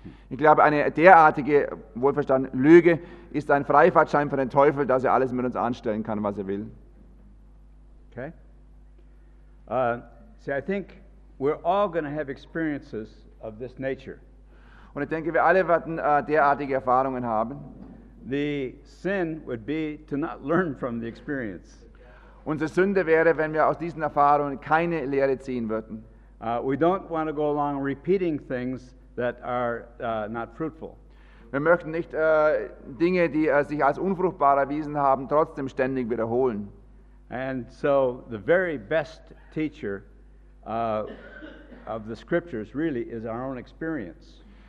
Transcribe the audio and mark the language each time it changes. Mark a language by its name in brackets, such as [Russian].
[German] Ich glaube, eine derartige, wohlverstanden, Lüge ist ein Freifahrtschein für den Teufel, dass er alles mit uns anstellen kann, was er will. [English] Okay. See, I think we're all going to have experiences of this nature. [German] Und ich denke, wir alle werden derartige Erfahrungen haben. [English] The sin would be to not learn from the experience. [German] Unsere Sünde wäre, wenn wir aus diesen Erfahrungen keine Lehre ziehen würden. [English] We don't want to go along repeating things that are not fruitful. [German] Wir möchten nicht Dinge, die sich als unfruchtbar erwiesen haben, trotzdem ständig wiederholen. [English] And so the very best teacher of the scriptures really is our own experience.